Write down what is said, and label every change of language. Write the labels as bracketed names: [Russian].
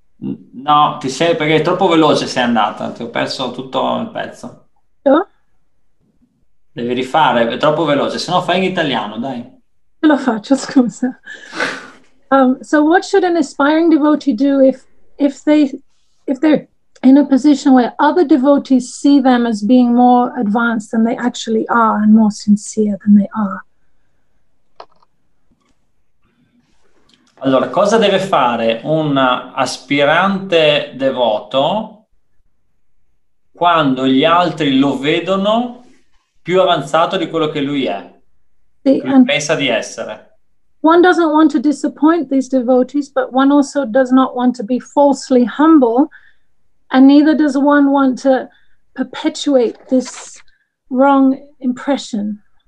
[Italian] No, ti sei, perché è troppo veloce sei andata, ti ho perso tutto il pezzo. Io? Devi rifare, è troppo veloce, se no fai in italiano, dai. Ce la faccio, scusa. [English] So what should an aspiring devotee do if they're in a position where other devotees see them as being more advanced than they actually are and more sincere than they are? [Italian] Allora, cosa deve fare un aspirante devoto quando gli altri lo vedono più avanzato di quello che lui è, pensa di essere? [English] One doesn't want to disappoint these devotees, but one also does not want to be falsely humble, and neither does one want to perpetuate this wrong impression.